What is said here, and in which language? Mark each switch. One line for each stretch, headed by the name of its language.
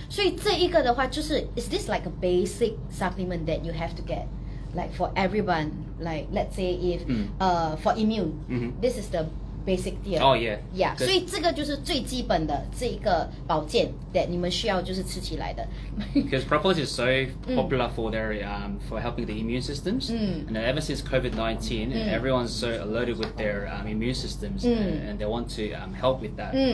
Chinese: 所以这一个的话，就是
English: is this like a basic supplement that you have to get, like for everyone, like let's say if for immune, this is the basic deal. Oh yeah. Yeah.
Chinese: 所以这个就是最基本的这一个保健
English: that
Chinese: 你们需要就是吃起来的。
English: Because propolis is so popular for their for helping the immune systems, and then ever since COVID-19, everyone's so alerted with their immune systems, and they want to help with that.